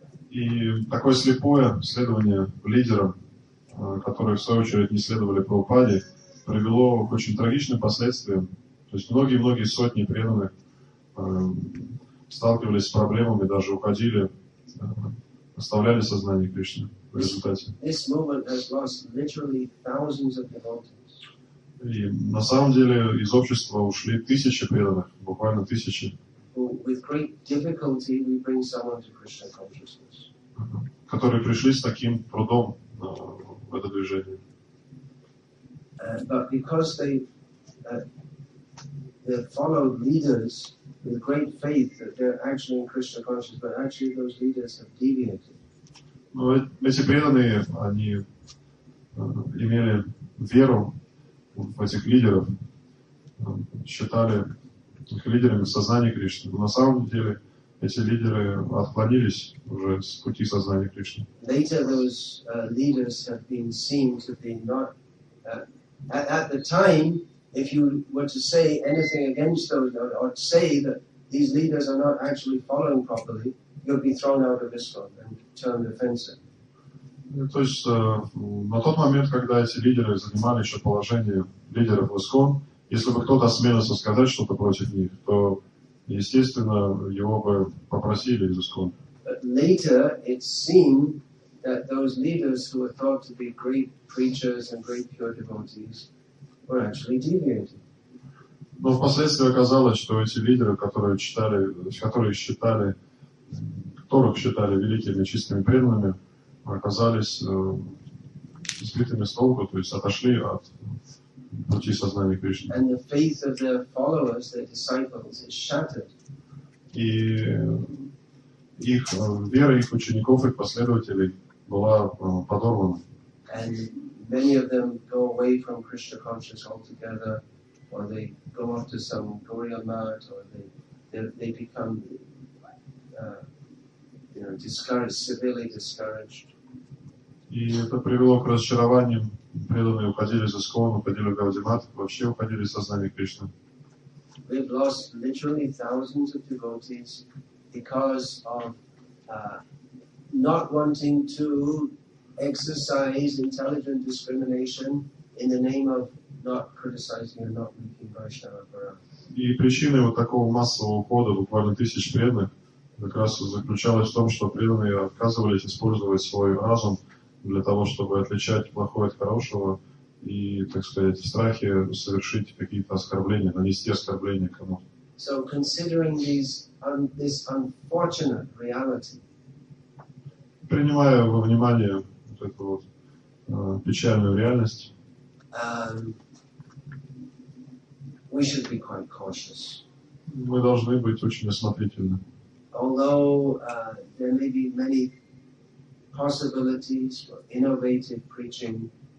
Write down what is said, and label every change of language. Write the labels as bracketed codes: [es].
[ru] И такое слепое следование лидерам, которые в свою очередь не следовали Прабхупаде, привело к очень трагичным последствиям. То есть многие-многие сотни преданных сталкивались с проблемами, даже уходили, оставляли сознание Кришны в результате. [en] This movement has lost literally thousands of devotees. [ru] И на самом деле из общества ушли тысячи преданных, буквально тысячи. [en] With great difficulty we bring someone to Krishna consciousness. [ru] Которые пришли с таким трудом в это движение. [en] But because they followed leaders with great faith that they're actually in Krishna consciousness, but actually those leaders have deviated. [ru] Но эти преданные, они имели веру в этих лидеров, считали их лидерами сознания Кришны. Но на самом деле эти лидеры отклонились уже с пути сознания Кришны. [en] Later those leaders have been seen to be not... At the time, if you were to say anything against those, or say that these leaders are not actually following properly, you'd be thrown out of ISKCON and turned offensive. [ru] То есть на тот момент, когда эти лидеры занимали еще положение лидеров в ИСКОН, если бы кто-то осмелился сказать что-то против них, то, естественно, его бы попросили из ИСКОН. [en] But later, it seemed that those leaders who were thought to be great preachers and great pure devotees were actually deviating. [ru] Но впоследствии оказалось, что эти лидеры, которых считали великими чистыми преданными, оказались сбитыми с толку, то есть отошли от пути сознания Кришны. [en] And the faith of their followers, their disciples, is shattered. [ru] И их вера, их учеников, их последователей была подорвана. [en] And many of them go away from Krishna consciousness altogether, or they go off to some Gauriya Math, or they become discouraged, severely discouraged. [ru] И это привело к разочарованиям. Преданные уходили из ИСКОН, уходили в Гауди Мат, вообще уходили из сознания Кришны. [en] We've lost literally thousands of devotees because of not wanting to exercise intelligent discrimination in the name of not criticizing and not making Vaishnava Bharat. [ru] И причиной вот такого массового ухода буквально тысяч преданных как раз заключалось в том, что преданные отказывались использовать свой разум для того, чтобы отличать плохое от хорошего и, так сказать, в страхе совершить какие-то оскорбления, нанести оскорбления кому-то. [en] So considering this unfortunate reality, [ru] принимая во внимание вот эту вот печальную реальность, [en] we should be quite cautious. [ru] Мы должны быть очень осмотрительны. [en] Although there may be many possibilities for innovative preaching,